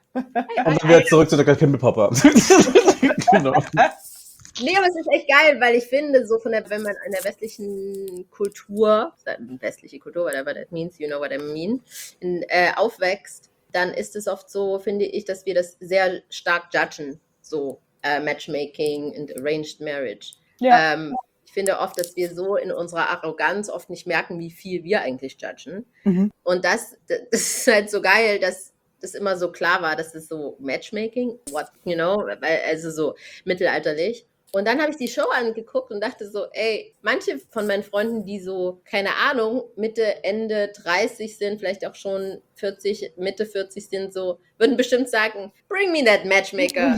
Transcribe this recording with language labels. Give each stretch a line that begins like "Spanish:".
German: Und dann wieder zurück zu der Pimmelpoppe. Genau. Nee, aber es ist echt geil, weil ich finde, so von der, wenn man in der westlichen Kultur, westliche Kultur,
English: whatever that means, you know what I mean,
German: aufwächst, dann ist es oft so, finde ich, dass wir das sehr stark judgen.
English: So Matchmaking and Arranged Marriage.
German: Ja. Ich finde oft, dass wir so in unserer Arroganz oft nicht merken, wie viel wir eigentlich judgen. Mhm. Und das ist halt so geil, dass das immer so klar war, dass es so Matchmaking,
English: what, you know,
German: also so mittelalterlich. Und dann habe ich die Show angeguckt und dachte so, ey, manche von meinen Freunden, die so, keine Ahnung, Mitte, Ende 30 sind, vielleicht auch schon 40, Mitte 40 sind so, würden bestimmt sagen,
English: bring me that Matchmaker.